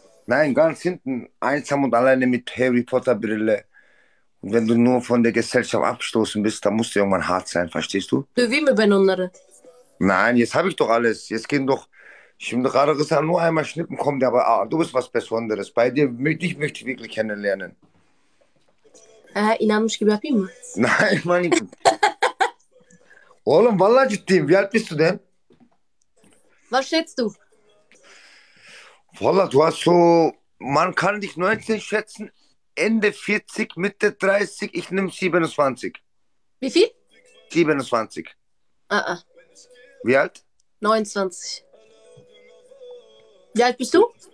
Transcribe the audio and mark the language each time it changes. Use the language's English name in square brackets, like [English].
[German] Nein, ganz hinten, einsam und alleine mit Harry Potter Brille. Und wenn du nur von der Gesellschaft abgestoßen bist, dann musst du irgendwann hart sein, verstehst du? [Turkish] Döveyim mi ben onları? [German] Nein, jetzt habe ich doch alles. Jetzt gehen doch. [Turkish] Şimdi karı kıza [German] nur einmal schnippen kommen, aber ah, du bist was Besonderes. Bei dir möchte ich wirklich kennenlernen. [Turkish] İnanmış gibi yapayım mı? [German] Nein, manikim. [Turkish] Oğlum, vallahi ciddiyim. [German] Wie alt bist du denn? Was schätzt du? Vallahi du hast so, man kann dich 19 schätzen, Ende 40, Mitte 30, ich nehme 27. Wie viel? 27. Ah, Wie alt? 29. Wie alt bist du?